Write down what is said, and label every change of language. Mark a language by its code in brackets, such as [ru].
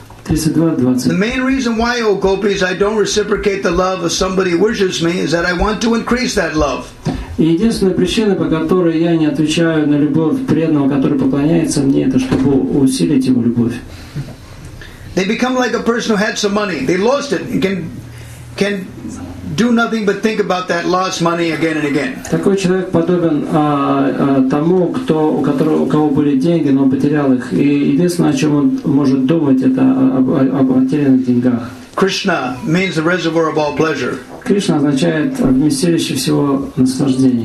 [en] The main reason why, O gopis, I don't reciprocate the love of somebody who worships me is that I want to increase that love. [ru] Единственная причина, по которой я не отвечаю на любовь преданного, который поклоняется мне, это чтобы усилить его любовь. [en] They become like a person who had some money. They lost it and can do nothing but think about that lost money again and again. [ru] Такой человек подобен тому, кто у которого у кого были деньги, но потерял их. И единственное, о чем он может думать, это об потерянных деньгах. [en] Krishna means the reservoir of all pleasure. [ru] Кришна означает вместилище всего наслаждения.